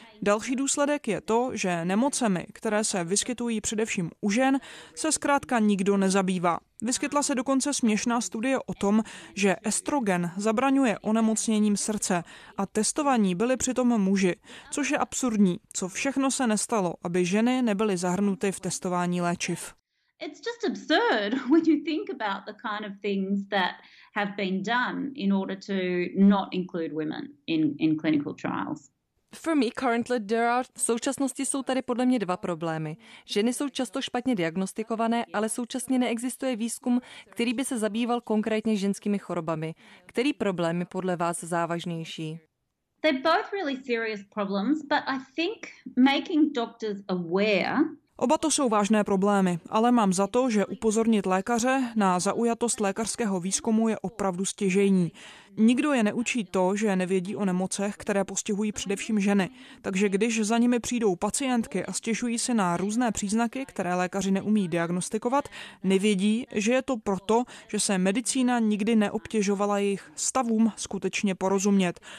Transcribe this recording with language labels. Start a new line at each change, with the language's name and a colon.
Czech: Další důsledek je to, že nemocemi, které se vyskytují především u žen, se zkrátka nikdo nezabývá. Vyskytla se dokonce směšná studie o tom, že estrogen zabraňuje onemocněním srdce a testovaní byli přitom muži, což je absurdní, co všechno se nestalo, aby ženy nebyly zahrnuty v testování léčiv.
English: It's just absurd when you think about the kind of things that have been done in order to not include women in clinical trials. For me currently there are,
Czech: v současnosti jsou tady podle mě dva problémy. Ženy jsou často špatně diagnostikované, ale současně neexistuje výzkum, který by se zabýval konkrétně ženskými chorobami. Který problém je podle vás závažnější?
English: They're both really serious problems, but I think making doctors aware.
Czech: Oba to jsou vážné problémy, ale mám za to, že upozornit lékaře na zaujatost lékařského výzkumu je opravdu stěžejní. Nikdo je neučí to, že nevědí o nemocech, které postihují především ženy. Takže když za nimi přijdou pacientky a stěžují si na různé příznaky, které lékaři neumí diagnostikovat, nevědí, že je to proto, že se medicína nikdy neobtěžovala jejich stavům skutečně porozumět.